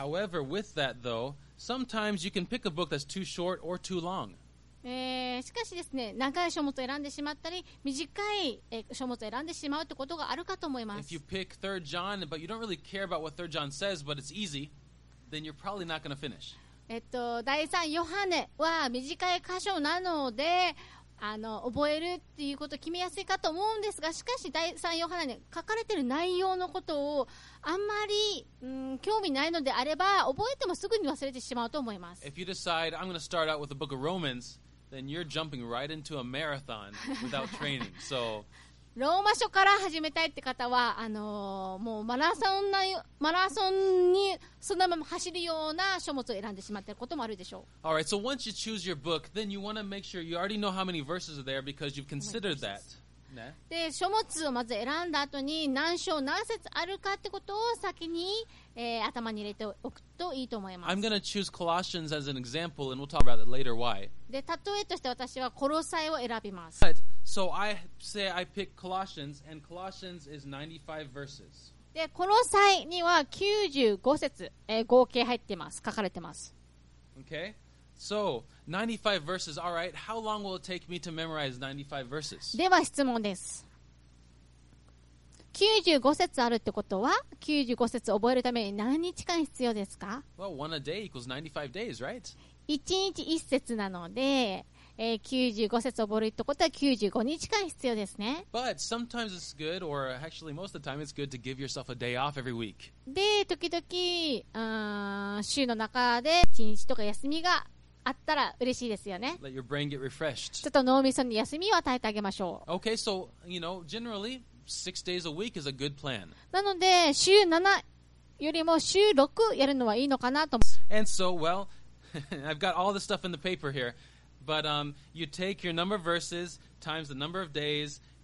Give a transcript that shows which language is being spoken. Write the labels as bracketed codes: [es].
[en] However, with that though, sometimes you can pick a book that's too short or too long. [ja] しかしですね、長い書物を選んでしまったり、短い書物を選んでしまうってことがあるかと思います。 [en] If you pick 3 John, but you don't really care about what 3 John says, but it's easy, then you're probably not going to finish. [ja] 第3ヨハネは短い箇所なので、覚えるっていうことを決めやすいかと思うんですが、しかし第3ヨハネに書かれている内容のことをあんまり、興味ないのであれば、覚えてもすぐに忘れてしまうと思います。 [en] If you decide, I'm going to start out with the book of Romans,Then you're jumping right into a marathon without training. So, [ja] ローマ書から始めたいって方は、もうマラソンにそのまま走るような書物を選んでしまっていることもあるでしょう。 [en] All right. So once you choose your book, then you want to make sure you already know how many verses are there because you've considered that. [ja] で、書物をまず選んだ後に何章何節あるかってことを先に、頭に入れておくといいと思います。 [en] I'm going to choose Colossians as an example, and we'll talk about it later why. [ja] で、例えとして私はコロサイを選びます。 [en] But, so I say I pick Colossians, and Colossians is 95 verses. [ja] で、コロサイには95節、合計入ってます。書かれてます。 [en] Okay. So, 95 verses. All right. How long will it take me to memorize 95 verses? [ja] では質問です。 95節あるってことは、95節覚えるために何日間必要ですか？ [en] Well, one a day equals 95 days, right? [ja] 1日1節なので、95節覚えるってことは95日間必要ですね。 [en] But sometimes it's good, or actually most of the time it's good to give yourself a day off every week. [ja] で、時々、週の中で1日とか休みがあったら嬉しいですよね。 [en] Let your brain get refreshed. [ja] ちょっと脳みそに休みを与えてあげましょう。 [en] Okay, so, you know, generally,Six days a week is a good plan. [ja] なので週7よりも週6やるのはいいのかなと。 [en] And so, well, I've got all the stuff in the paper here, but you take your number of verses times the number of days.